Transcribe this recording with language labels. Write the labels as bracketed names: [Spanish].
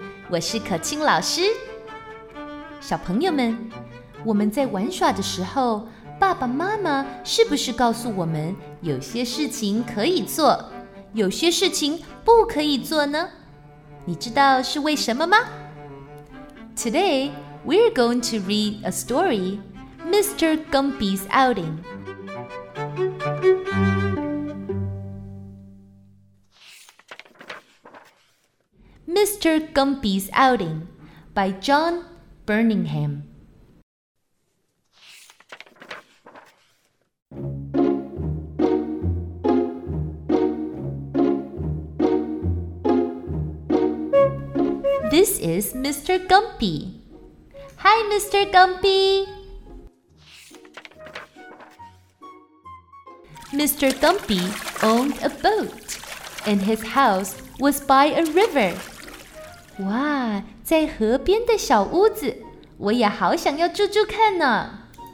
[Chinese] 我是 Ka-ching 老师。小朋友们，我们在玩耍的时候，爸爸妈妈是不是告诉我们有些事情可以做，有些事情不可以做呢？你知道是为什么吗？ [English] Today, we're going to read a story, Mr. Gumby's Outing. Mr. Gumby's Outing by John Birmingham. This is Mr. Gumby. Hi, Mr. Gumby. Mr. Gumby owned a boat, and his house was by a river. [Chinese] 哇，在河边的小屋子，我也好想要住住看呢。